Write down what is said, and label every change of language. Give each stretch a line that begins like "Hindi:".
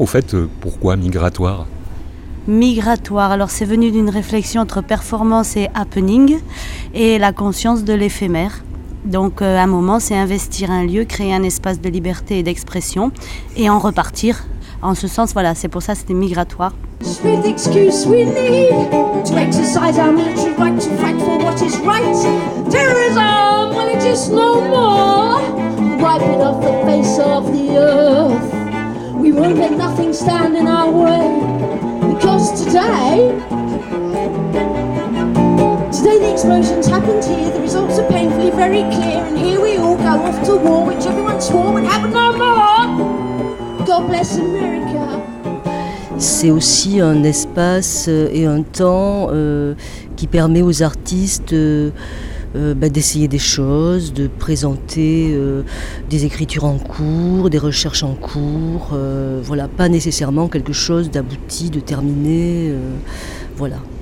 French: Au fait, pourquoi migratoire ? Migratoire, alors c'est venu d'une réflexion entre performance et happening et la conscience de l'éphémère. Donc à un moment c'est investir un lieu, créer un espace de liberté et d'expression et en repartir. En ce sens, voilà, c'est pour ça que c'était migratoire.
English: Smith excuse we need to exercise our military right to fight for what is right. Terrorism, when it is no more, wiping off the face of the earth. We won't let nothing stand in our way. Because today the explosions happened here, the results are painfully very clear, and here we all go off to war, which everyone swore would happen no more. God bless America.
French: C'est aussi un espace et un temps qui permet aux artistes d'essayer des choses, de présenter des écritures en cours, des recherches en cours, voilà, pas nécessairement quelque chose d'abouti, de terminé, voilà.